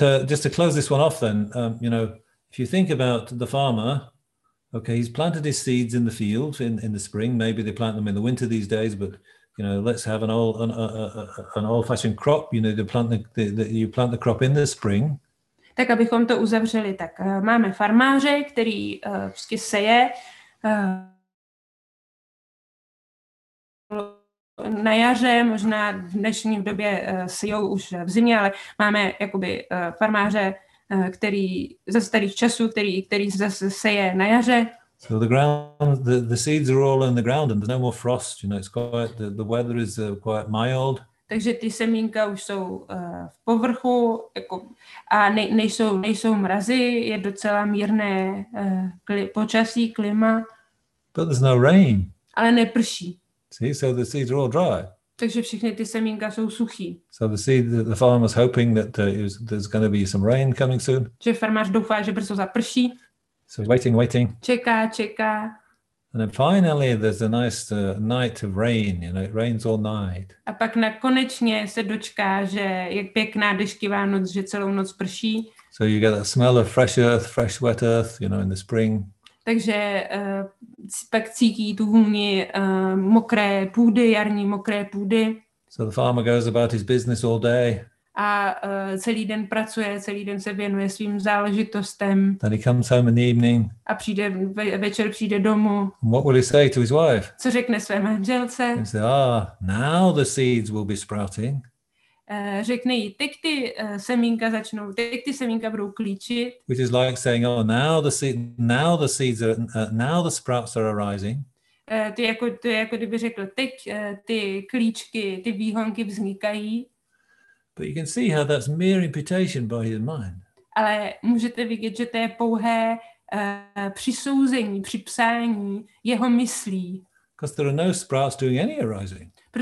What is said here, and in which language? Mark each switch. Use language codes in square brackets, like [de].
[en] Just to close this one off then, you know, if you think about the farmer, okay, he's planted his seeds in the field in the spring, maybe they plant them in the winter these days, but, you know, let's have an old-fashioned crop, you know, you plant the crop in the spring. [cs] Tak abychom to uzavřeli, tak máme farmáře, který prostě seje na jaře, možná v dnešní době sejou už v zimě, ale máme jakoby farmáře, který ze starých časů, který zase seje na jaře. [en] So the ground, the seeds are all in the ground and there's no more frost, you know, it's quite, the weather is quite mild. [cs] Takže ty semínka už jsou v povrchu jako, a nejsou mrazy, je docela mírné počasí, klima. [en] But there's no rain. [cs] Ale neprší. [en] See, so the seeds are all dry. [cs] Takže všechny ty semínka jsou suchý. [en] So the farmer's hoping that there's going to be some rain coming soon. [cs] Že farmář doufá, že brzo zaprší. [en] So waiting. [cs] Čeká. [en] And then finally there's a nice night of rain, you know, it rains all night. [cs] A pak nakonečně se dočká, že je pěkná deštivá noc, že celou noc prší. [en] So you get that smell of fresh earth, fresh wet earth, you know, in the spring. [cs] Takže pak cítí tu vůni mokré půdy, jarní mokré půdy. [en] So the farmer goes about his business all day. [cs] A celý den pracuje, celý den se věnuje svým záležitostem. [en] Then he comes home in the evening. [cs] A přijde večer přijde domů. [en] And what will he say to his wife? [cs] Co řekne své manželce? [en] He says, now the seeds will be sprouting. [cs] Řekne jí, teď ty semínka začnou, teď ty semínka budou klíčit. [en] Which is like saying, now the sprouts are arising. [cs] To je jako kdyby řekl, teď ty klíčky, ty výhonky vznikají. [en] But you can see how that's mere imputation by his mind. [cs] Ale můžete vidět, že to je pouhé přisouzení, připsání jeho myslí. [en] Because there are no sprouts doing any arising.